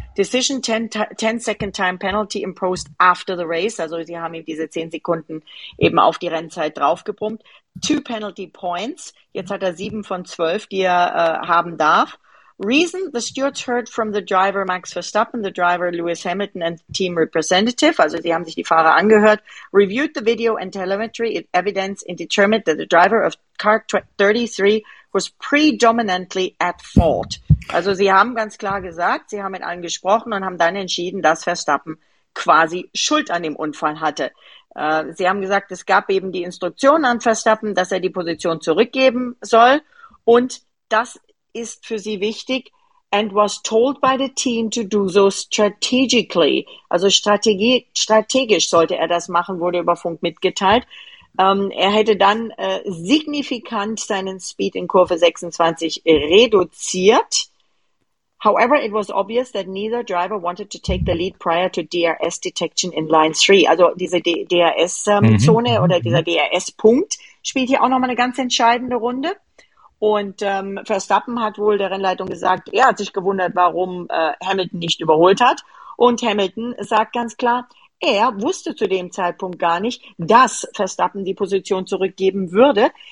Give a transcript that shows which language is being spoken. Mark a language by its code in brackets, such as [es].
[en] Decision 10-second time penalty imposed after the race. [de] Also sie haben ihm diese 10 Sekunden eben auf die Rennzeit draufgebrummt. [en] 2 penalty points. [de] Jetzt hat er 7 von 12, die er haben darf. [en] Reason, the stewards heard from the driver Max Verstappen, the driver Lewis Hamilton and team representative. [de] Also sie haben sich die Fahrer angehört. [en] Reviewed the video and telemetry evidence and determined that the driver of car 33 was predominantly at fault. [de] Also sie haben ganz klar gesagt, sie haben mit allen gesprochen und haben dann entschieden, dass Verstappen quasi Schuld an dem Unfall hatte. Sie haben gesagt, es gab eben die Instruktion an Verstappen, dass er die Position zurückgeben soll. Und das ist für sie wichtig. [en] And was told by the team to do so strategically. [de] Also strategisch sollte er das machen, wurde über Funk mitgeteilt. Er hätte dann signifikant seinen Speed in Kurve 26 reduziert. [en] However, it was obvious that neither driver wanted to take the lead prior to DRS detection in line 3. [de] Also diese DRS-Zone oder dieser DRS-Punkt spielt hier auch nochmal eine ganz entscheidende Runde. Und Verstappen hat wohl der Rennleitung gesagt, er hat sich gewundert, warum Hamilton nicht überholt hat. Und Hamilton sagt ganz klar, er wusste zu dem Zeitpunkt gar nicht, dass Verstappen die Position zurückgeben würde.